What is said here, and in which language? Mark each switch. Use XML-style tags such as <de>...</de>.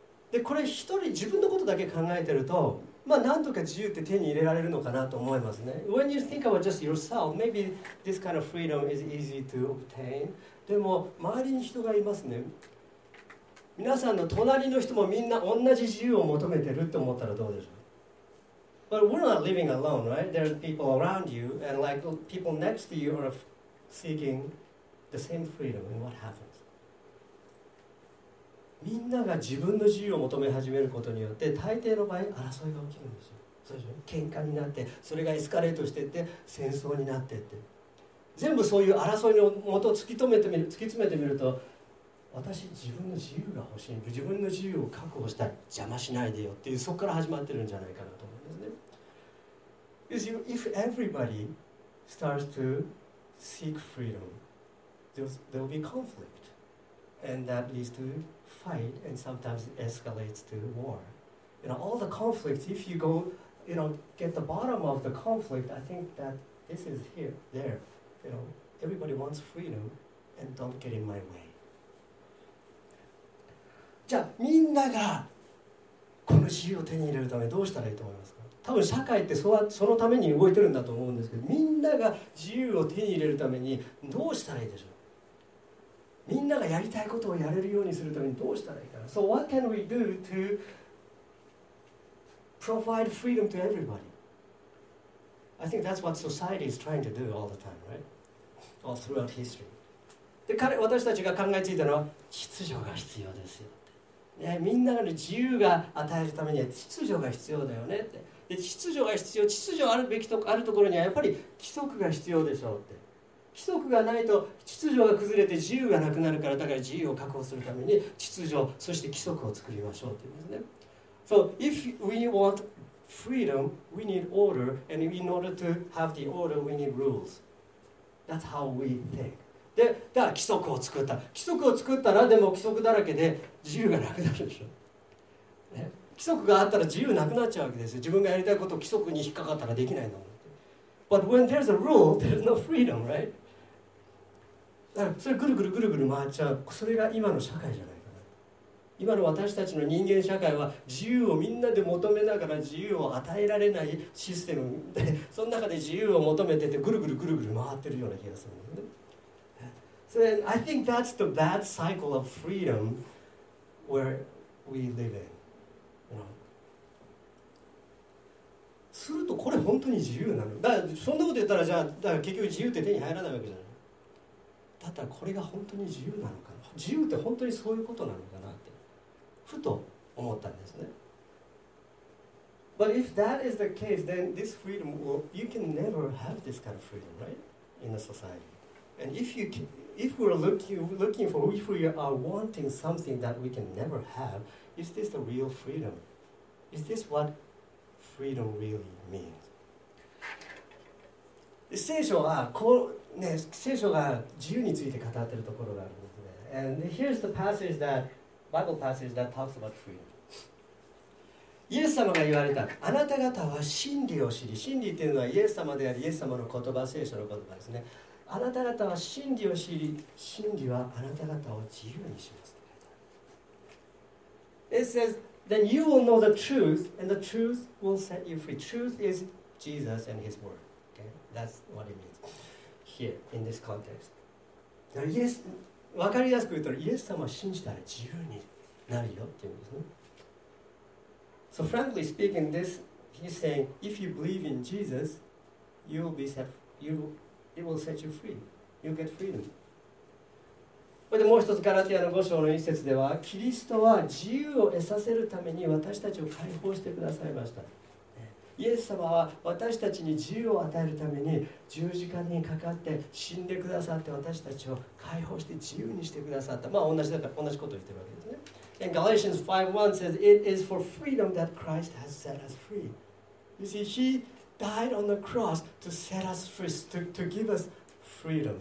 <ja>で、これ一人自分のことだけ考えてると、まあ、なんとか自由って手に入れられるのかなと思いますね。</ja> <en>When you think about just yourself, maybe this kind of freedom is easy to obtain.</en> <ja>でも周りに人がいますね。皆さんの隣の人もみんな同じ自由を求めてるって思ったらどうでしょう。</ja> <en>But we're not living alone, right? There are people around you, and like people next to you are seeking the same freedom. And what happens?</en> <ja>みんなが自分の自由を求め始めることによって、大抵の場合争いが起きるんですよ。そうでしょ？喧嘩になって、それがエスカレートしていって、戦争になっていって、全部そういう争いのもと突き詰めてみると、私自分の自由が欲しい、自分の自由を確保したい、邪魔しないでよっていう、そこから始まってるんじゃないかなと思うんですね。</ja> <en>If everybody starts to seek freedom, there will be conflict, and that leads to fight, and sometimes escalates to war. You know, all the conflicts. If you go, you know, get the bottom of the conflict, I think that this is here, there. You know, everybody wants freedom, and don't get in my way.</en> <ja>じゃあみんながこの自由を手に入れるためにどうしたらいいと思いますか。多分社会ってそのために動いてるんだと思うんですけど、みんなが自由を手に入れるためにどうしたらいいでしょう。みんながやりたいことをやれるようにするためにどうしたらいいかな。</ja> <en>So what can we do to provide freedom to everybody? I think that's what society is trying to do all the time, right? All throughout history.</en> <ja>で私たちが考えついたのは秩序が必要ですよ、ね、みんなの自由が与えるためには秩序が必要だよねって。で秩序が必要、秩序あるべきとあるところにはやっぱり規則が必要でしょうって。規則がないと秩序が崩れて自由がなくなるから、だから自由を確保するために秩序そして規則を作りましょうって言うんですね。</ja> <en>So if we want freedom, we need order, and in order to have the order, we need rules. That's how we think.</en> <ja>で、だから規則を作った、規則を作ったらでも規則だらけで自由がなくなるでしょ、ね、規則があったら自由なくなっちゃうわけですよ。自分がやりたいことを規則に引っかかったらできないの。</ja> <en>But when there's a rule, there's no freedom, right?</en> <ja>だからそれぐるぐるぐるぐる回っちゃう。それが今の社会じゃないかな。今の私たちの人間社会は自由をみんなで求めながら自由を与えられないシステムで、その中で自由を求めててぐるぐるぐるぐる回ってるような気がするね。</ja> <en>So then I think that's the bad cycle of freedom where we live in.</en> <ja>するとこれ本当に自由なの？だからそんなこと言ったらじゃあだから結局自由って手に入らないわけじゃない。だったらこれが本当に自由なのかな？自由って本当にそういうことなのかなってふと思ったんですね。</ja> <en>But if that is the case, then this freedom will, you can never have this kind of freedom, right? In a society. And if we're looking for, if we are wanting something that we can never have, is this the real freedom? Is this what? Freedom really means.</en> <ja>聖書はこう、ね、聖書が自由について語ってるところがあるんですね。</ja> <en>And here's the passage that Bible passage that talks about freedom.</en> <ja>イエス様が言われた、あなた方は真理を知り、真理っていうのはイエス様であり、イエス様の言葉、聖書の言葉ですね。あなた方は真理を知り、真理はあなた方を自由にしますって書いてある。</ja> <en>It says. Then you will know the truth, and the truth will set you free. Truth is Jesus and His word. Okay, that's what it means here in this context.</en> <ja>Yes, 分かりやすく言うと、イエス様を信じたら自由になるよっていうんですね。</ja> <en>So frankly speaking, this he's saying, if you believe in Jesus, you will be set. You, it will set you free. You'll get freedom.</en> <ja>でもう一つガラティアの5章の1節では、キリストは自由を得させるために私たちを解放してくださいました。イエス様は私たちに自由を与えるために十字架にかかって死んでくださって、私たちを解放して自由にしてくださった。まあ同じだから同じことを言ってるわけですね。</ja> <en>And Galatians 5:1 says, It is for freedom that Christ has set us free. You see, He died on the cross to set us free, to give us freedom.</en>